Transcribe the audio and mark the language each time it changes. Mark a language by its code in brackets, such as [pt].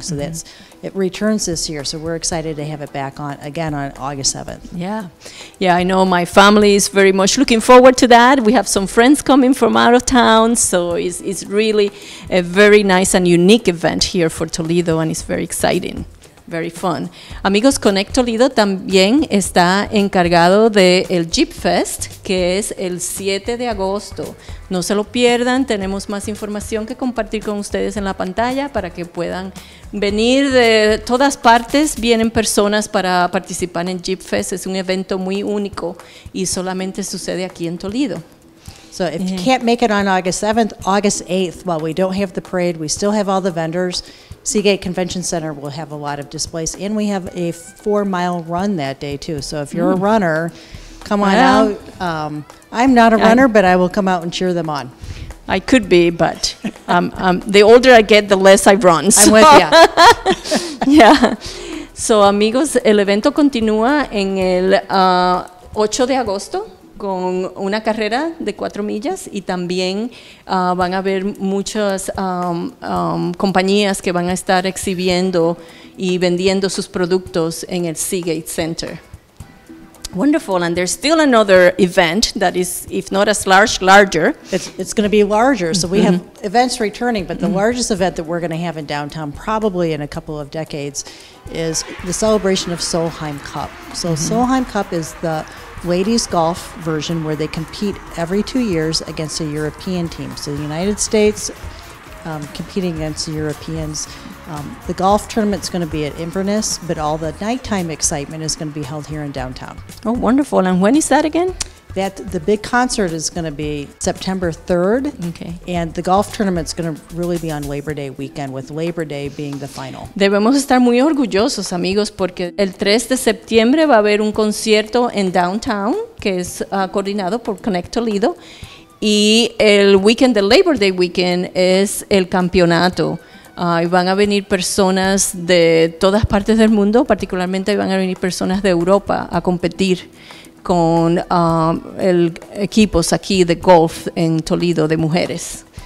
[en] So it returns this year. So we're excited to have it back on again on August 7th. Yeah. Yeah, I know my family is very much looking forward to that. We have some friends coming from out of town. So it's really a very nice and unique event here for Toledo, and it's very exciting. Very fun. [es] Amigos, Connect Toledo también está encargado del Jeep Fest, que es el 7 de agosto. No se lo pierdan, tenemos más información que compartir con ustedes en la pantalla para que puedan venir de todas partes. Vienen personas para participar en Jeep Fest. Es un evento muy único y solamente sucede aquí en Toledo. [en] So if you can't make it on August 7th, August 8th, while we don't have the parade, we still have all the vendors. Seagate Convention Center will have a lot of displays, and we have a 4-mile run that day too. So if you're a runner, come on out. I'm not a runner, but I will come out and cheer them on. I could be, but the older I get, the less I run. So. I'm with you. Yeah. [es] So amigos, el evento continúa en el 8 de agosto. Con una carrera de 4 millas y también van a haber muchas compañías que van a estar exhibiendo y vendiendo sus productos en el Seagate Center. [en] Wonderful, and there's still another event that is, if not as large, larger. It's going to be larger, so we have events returning, but the largest event that we're going to have in downtown probably in a couple of decades is the celebration of Solheim Cup. So Solheim Cup is the ladies golf version where they compete every 2 years against a European team. So the United States competing against the Europeans. The golf tournament's going to be at Inverness, but all the nighttime excitement is going to be held here in downtown. Oh, wonderful. And when is that again? That the big concert is going to be September 3rd. Okay. And the golf tournament's going to really be on Labor Day weekend, with Labor Day being the final. [es] Debemos estar muy orgullosos, amigos, porque el 3 de septiembre va a haber un concierto en downtown, que es coordinado por Connect Toledo. Y el weekend, [en] the Labor Day weekend, [es] es el campeonato. Y van a venir personas de todas partes del mundo, particularmente van a venir personas de Europa a competir con el equipos aquí de golf en Toledo de mujeres.